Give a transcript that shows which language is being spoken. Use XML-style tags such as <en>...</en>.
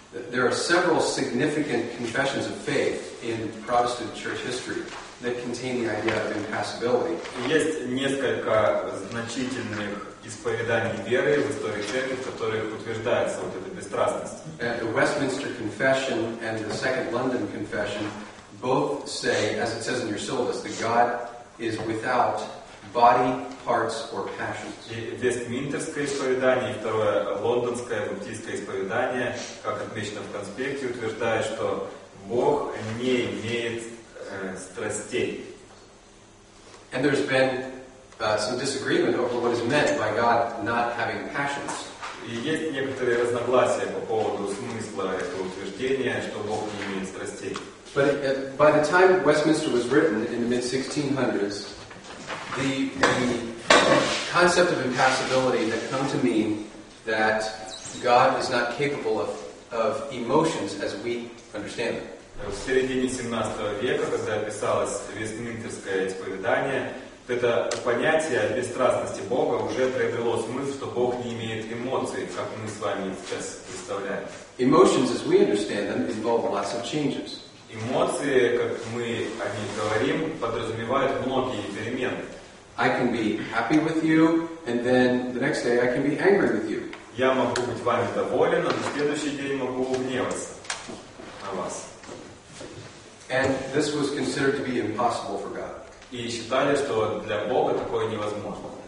<en>There are several significant confessions of faith in Protestant church history that contain the idea of impassibility.</en> <ru>Есть несколько значительных исповеданий веры в истории церкви, в которых утверждается вот эта бесстрастность.</ru> <en>The Westminster Confession and the Second London Confession both say, as it says in your syllabus, that God is without body, parts, or passions.</en> <ru>И Вестминстерское исповедание, и второе Лондонское баптистское исповедание, как отмечено в конспекте, утверждает, что Бог не имеет страстей.</ru> <en>And there's been some disagreement over what is meant by God not having passions.</en> <ru>И есть некоторые разногласия по поводу смысла этого утверждения, что Бог не имеет страстей.</ru> <en>But by the time Westminster was written in the mid-1600s, the concept of impassibility had come to mean that God is not capable of emotions as we understand them.</en> <ru>В середине 17 века, когда писалось Вестминстерское исповедание, это понятие бесстрастности Бога уже приобрело смысл, что Бог не имеет эмоций, как мы с вами сейчас представляем.</ru> <en>Emotions, as we understand them, involve lots of changes.</en> <ru>Эмоции, как мы о них говорим, подразумевают многие перемены.</ru> <en>I can be happy with you, and then the next day I can be angry with you.</en> <ru>Я могу быть вами доволен, а на следующий день могу гневаться на вас.</ru> <en>And this was considered to be impossible for God.</en> <ru>И считали, что для Бога такое невозможно.</ru>